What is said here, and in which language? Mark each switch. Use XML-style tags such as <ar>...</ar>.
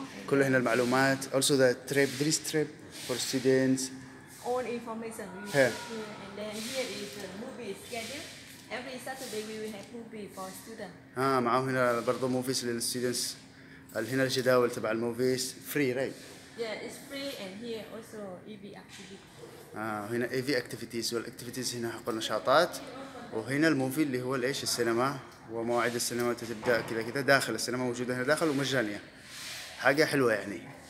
<ar>كل هنا المعلومات،</ar> <en>also the trip, there is trip for students. All information we have here. Here, and then here is the movie schedule. Every Saturday we will have movie for students.</en> <ar>معهم هنا برضو movies للstudents. هنا الجداول تبع الموفيز</ar> <en>free, right? Yeah, it's free, and here also EV activities.</en> <ar>هنا EV activities والactivities هنا حق النشاطات، وهنا الموفي اللي هو ليش السينما، ومواعيد السينما تبدأ كذا كذا، داخل السينما موجودة هنا داخل ومجانية، حاجة حلوة يعني.</ar>